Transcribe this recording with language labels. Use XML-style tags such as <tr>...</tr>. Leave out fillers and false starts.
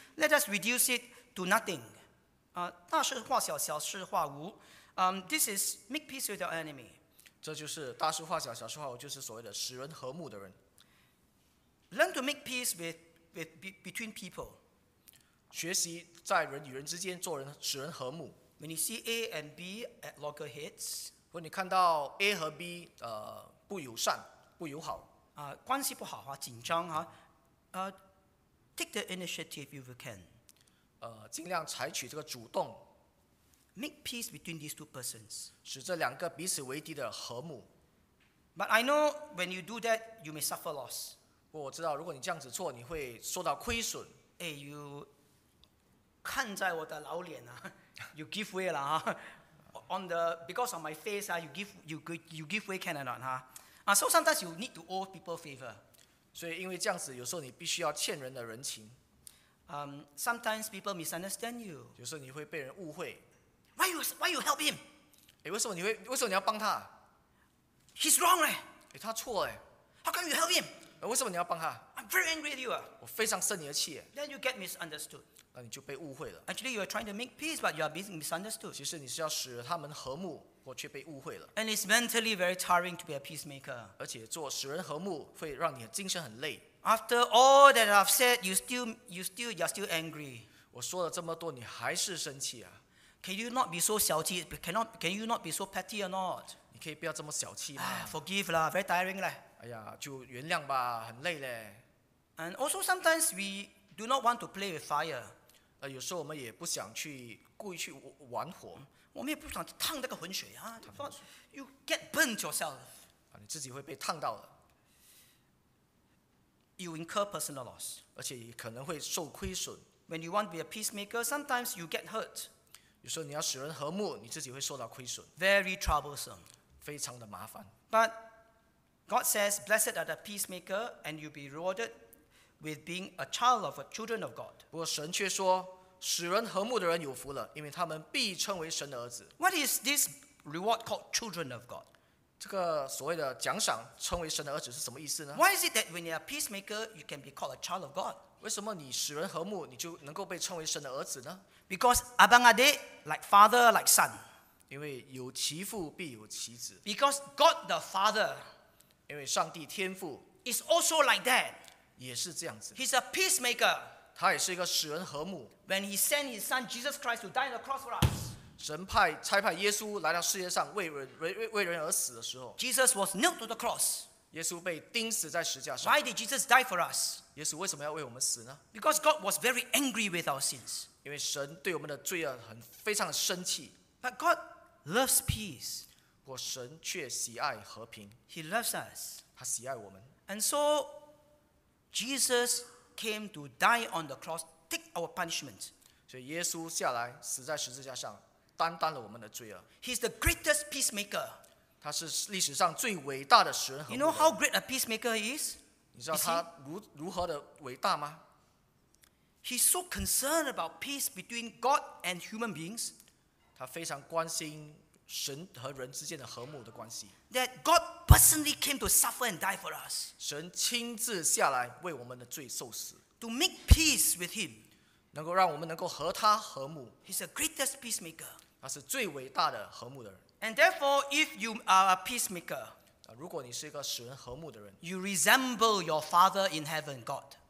<en>Let us reduce it to nothing.</en> <zh>大事化小，小事化无。</zh> <en>This is make peace with your enemy.</en> <zh>这就是大事化小，小事化无，就是所谓的使人和睦的人。</zh> <en>Learn to make peace with between people.</en> <zh>学习在人与人之间做人使人和睦。</zh> <en>When you see A and B at loggerheads,</en> <zh>如果你看到 A 和 B 不友善不友好, 关系不好啊, 紧张啊,</zh> <en>take the initiative if you can.</en> <zh>尽量采取这个主动,</zh> <en>make peace between these two persons.</en> <zh>使这两个彼此为敌的和睦。</zh> <en>But I know when you do that, you may suffer loss.</en> <zh>我知道如果你这样子做, 你会受到亏损。</zh> <en>Hey, you</en> <zh>看在我的老脸啊,</zh> <en>you give way 啦, on the because of my face 啊, you give way can or not 哈, so sometimes you need to owe people favor.</en> <zh>所以因为这样子，有时候你必须要欠人的人情。</zh> <en>Sometimes people misunderstand you.</en> <zh>有时候你会被人误会。</zh> <en>Why you help him?</en> <zh>为什么你要帮他？</zh> <en>He's wrong 嘞。</en> <zh>他错嘞。</zh> <en>How come you help him?</en> <zh>为什么你要帮他？</zh> <en>I'm very angry at you.</en> <zh>我非常生你的气耶。</zh> <en>Then you get misunderstood.</en> <zh>那你就被误会了。</zh> <en>Actually, you are trying to make peace, but you are being misunderstood.</en> <zh>其实你是要使他们和睦, 我却被误会了。</zh> <en>And it's mentally very tiring to be a peacemaker.</en> <zh>而且做使人和睦, 会让你的精神很累。</zh> <en>After all that I've said, you are still angry.</en> <zh>我说了这么多, 你还是生气啊。</zh> <en>Can you not be so 小气?Can you not be so petty or not?</en> <zh>你可以不要这么小气吗?</zh> <en>Forgive lah, very tiring lah.</en> <zh>哎呀，就原谅吧, 很累嘞。</zh> <en>And also sometimes we do not want to play with fire.</en> <zh>有时候我们也不想去故意去玩火。我们也不想烫那个浑水啊。</zh> <en>You get burnt yourself.</en> <zh>你自己会被烫到了。</zh> <en>You incur personal loss.</en> <zh>而且也可能会受亏损。</zh> <en>When you want to be a peacemaker, sometimes you get hurt.</en> <zh>有时候你要使人和睦, 你自己会受到亏损。</zh> <en>Very troublesome.</en> <zh>非常的麻烦。</zh> <en>But God says, blessed are the peacemaker, and you'll be rewarded with being a child of a children of God.</en> <zh>不过神却说, 使人和睦的人有福了, 因为他们必称为神的儿子。</zh> <en>What is this reward called children of God?</en> <zh>这个所谓的奖赏称为神的儿子是什么意思呢?</zh> <en>Why is it that when you're a peacemaker, you can be called a child of God?</en> <zh>为什么你使人和睦, 你就能够被称为神的儿子呢?</zh> <en>Because</en> <ms>abang adik,</ms> <en>like father, like son.</en> <zh>因为有其父必有其子。</zh> <en>Because God the Father,</en> <zh>因为上帝天父,</zh> <en>is also like that.</en> <zh>也是这样子。</zh> <en>He's a peacemaker.</en> <zh>他也是一个使人和睦。</zh> <en>When he sent his son Jesus Christ to die on the cross for us,</en> <zh>神差派耶稣来到世界上为人而死的时候,</zh> <en>Jesus was nailed to the cross.</en> <zh>耶稣被钉死在十架上。</zh> <en>Why did Jesus die for us?</en> <zh>耶稣为什么要为我们死呢?</zh> <en>Because God was very angry with our sins.</en> <zh>因为神对我们的罪恶非常生气。</zh> <en>But God loves peace.</en> <zh>不过神却喜爱和平。</zh> <en>He loves us.</en> <zh>他喜爱我们。</zh> <en>And so Jesus came to die on the cross, take our punishment.</en> <zh>所以耶稣下来死在十字架上, 担当了我们的罪恶。</zh> <en>He's the greatest peacemaker.</en> <zh>他是历史上最伟大的使人和睦。</zh> <en>You know how great a peacemaker he is?</en> <zh>你知道他如何的伟大吗?</zh> <en>He's so concerned about peace between God and human beings.</en> <zh>他非常关心神和人之间的和睦的关系。</zh> <en>That God personally came to suffer and die for us.</en> <zh>神亲自下来为我们的罪受死。</zh> <en>To make peace with him.</en> <zh>能够让我们能够和他和睦。</zh> <en>He's the greatest peacemaker.</en> <zh>他是最伟大的和睦的人。</zh> <en>And therefore, if you are a peacemaker,</en> <zh>如果你是一个使人和睦的人,</zh> <en>you resemble your Father in heaven, God.</en>